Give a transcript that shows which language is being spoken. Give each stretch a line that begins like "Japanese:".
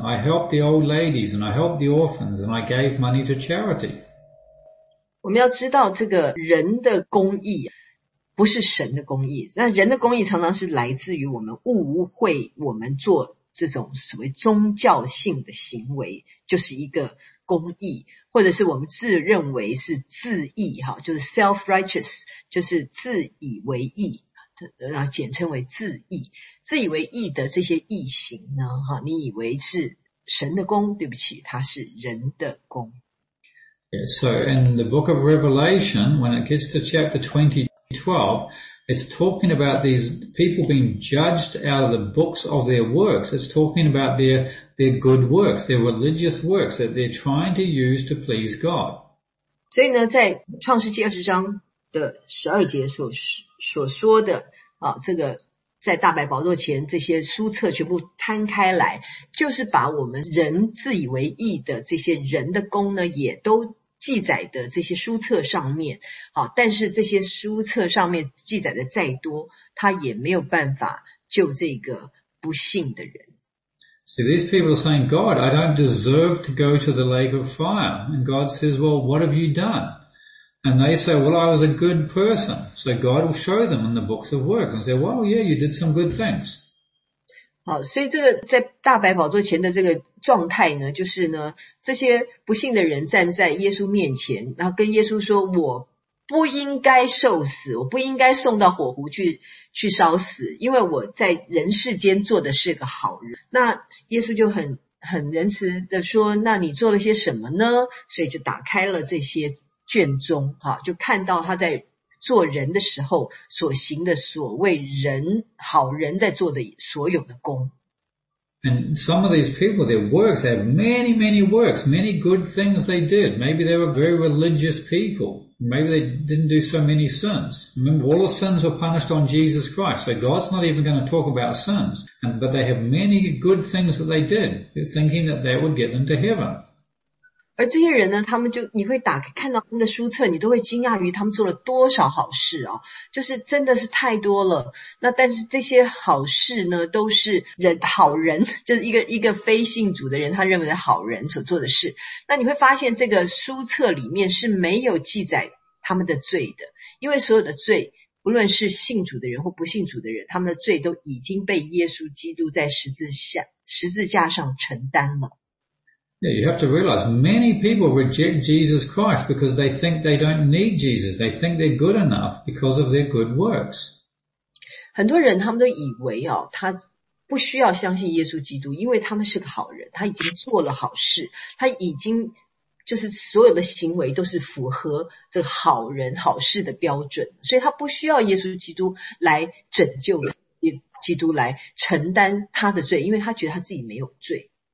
English: I helped the old ladies and I helped the orphans and I gave money to charity.
Chinese: 我们要知道这个人的公义不是神的公义，那人的公义常常是来自于我们误会我们做这种所谓宗教性的行为就是一个公义，或者是我们自认为是自义，就是 self-righteous， 就是自以为义，简称为自义。自以为义的这些义行呢，你以为是神的功，对不起，它是人的功。
English: Yeah, so in the book of Revelation, when it gets to chapter 20:12, it's talking about these people being judged out of the books of their works. It's talking about their good works, their religious works that they're trying to use to please God.
Chinese: 所以呢，在创世纪20章12节所说的啊，这个在大白宝座前这些书册全部摊开来，就是把我们人自以为义的这些人的功呢，也都记载的这些书册上面，好，但是这些书册上面记载的再多，他也没有办法救这个不信的人。
English: So these people are saying, God, I don't deserve to go to the lake of fire. And God says, well, what have you done? And they say, well, I was a good person. So God will show them in the books of works and say, well, yeah, you did some good things.
Chinese: 好，所以这个在大白宝座前的这个状态呢，就是呢，这些不信的人站在耶稣面前，然后跟耶稣说，我不应该受死，我不应该送到火湖去烧死，因为我在人世间做的是个好人。那耶稣就很仁慈的说，那你做了些什么呢？所以就打开了这些卷宗，就看到他在做人的时候所行的所谓人好人在做的所有的功。
English: And some of these people, their works, they have many, many works, many good things they did. Maybe they were very religious people. Maybe they didn't do so many sins. Remember, all the sins were punished on Jesus Christ. So God's not even going to talk about sins. But they have many good things that they did, thinking that that would get them to heaven.
Chinese: 而这些人呢，他们就你会打开看到他们的书册，你都会惊讶于他们做了多少好事啊，就是真的是太多了。那但是这些好事呢，都是人好人，就是一个非信主的人他认为的好人所做的事。那你会发现这个书册里面是没有记载他们的罪的，因为所有的罪不论是信主的人或不信主的人，他们的罪都已经被耶稣基督在十字架上承担了。
English: Yeah, you have to realize many people reject Jesus Christ because they think they don't need Jesus. They think they're good enough because of their good works.
Chinese: 很多人他们都以为哦，他不需要相信耶稣基督，因为他们是个好人，他已经做了好事，他已经就是所有的行为都是符合这个好人好事的标准，所以他不需要耶稣基督来拯救，耶稣基督来承担他的罪，因为他觉得他自己没有罪。